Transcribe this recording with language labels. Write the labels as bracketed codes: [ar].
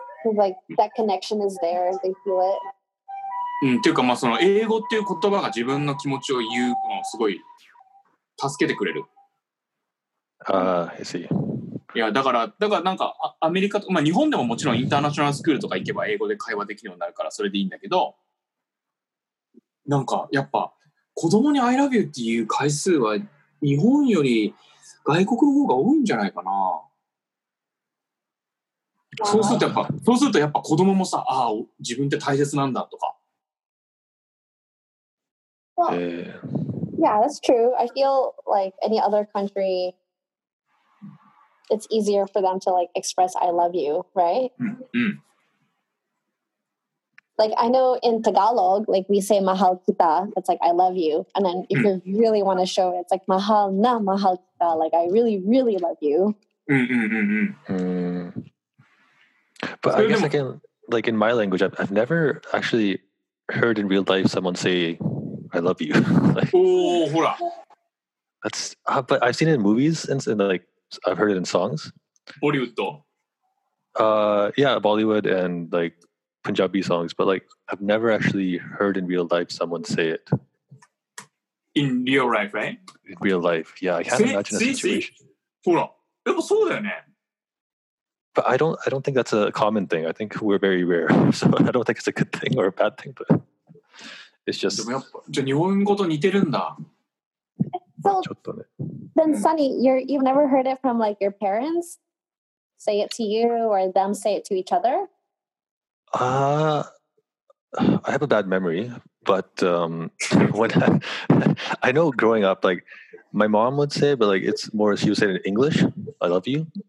[en] like that connection is there, they feel it. [ja] うん、っていうか、まあ、その英語っていう言葉が自分の気持ちを言うのをすごい助けてくれる。 [en] ああ、I see。 [ja] いや、だからなんかアメリカと、まあ、日本でももちろんインターナショナルスクールとか行けば英語で会話できるようになるからそれでいいんだけど、なんかやっぱ子供に [en] I love you [ja] っていう回数は日本より外国の方が多いんじゃないかな。そうするとやっぱ子供もさ、ああ、自分って大切なんだとか。 [en] Well, yeah, that's true. I feel like any other country, it's easier for them to like express I love you, right? Mm-hmm. Like I know in Tagalog, like we say [tl] mahal kita, [en] it's like I love you. And then if you really want to show it, it's like [tl] mahal na mahal kita, [en] like I really, really love you. Mm-hmm. But I guess I can, like in my language, I've never actually heard in real life someone say I love you. Oh, like, that's. But I've seen it in movies and like I've heard it in songs. Bollywood. Yeah, Bollywood and like Punjabi songs. But like I've never actually heard in real life someone say it. In real life, right? In real life, yeah. I can't imagine a situation. Hold on. Yeah, but so. But I don't think that's a common thing. I think we're very rare, so I don't think it's a good thing or a bad thing, but. It's just... [ja] でもやっぱじゃあ日本語と似てるんだ。 [en] So, [ja] ちょっとね。 [en] Then Sunny, you've never heard it from like your parents say it to you or them say it to each other? I have a bad memory, but when I know growing up, like my mom would say, but like it's more she would say it in English, I love you.